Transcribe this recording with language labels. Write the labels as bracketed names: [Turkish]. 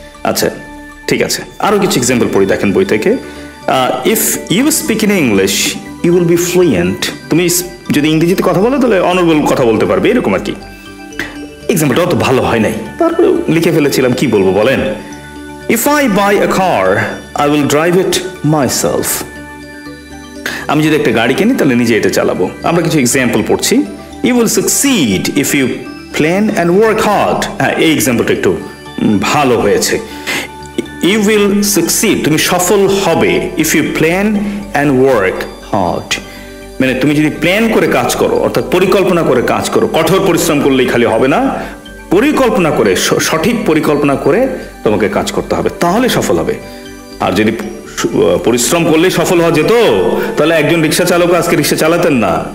[Bangla] আচ্ছা ঠিক আছে, আরো কিছু এক্সাম্পল পড়ি দেখেন বই থেকে। [English] if you speak in English you will be fluent, [Bangla] তুমি যদি ইংরেজিতে কথা বলো তাহলে অনর্গল কথা বলতে পারবে, এরকম আর কি। এক্সাম্পলটা অত ভালো হয় নাই, তারপরে লিখে ফেলেছিলাম, কি বলবো বলেন? [English] If I buy a car, I will drive it myself. [Bangla] আমি যদি একটা গাড়ি কিনি তাহলে নিজে এটা চালাবো। আমরা কিছু এক্সাম্পল পড়ছি। [English] You will succeed if you plan and work hard. [Bangla] এই এক্সাম্পলটা একটু ভালো হয়েছে। [English] You will succeed, [Bangla] তুমি সফল হবে, [English] if you plan and work hard. [Bangla] মানে তুমি যদি প্ল্যান করে কাজ করো, অর্থাৎ পরিকল্পনা করে কাজ করো, কঠোর পরিশ্রম করলেই খালি হবে না, পরিকল্পনা করে, সঠিক পরিকল্পনা করে তোমাকে কাজ করতে হবে, তাহলে সফল হবে। আর যদি পরিশ্রম করলেই সফল হওয়া যেত, তাহলে একজন রিক্সা চালক আজকে রিক্সা চালাতেন না।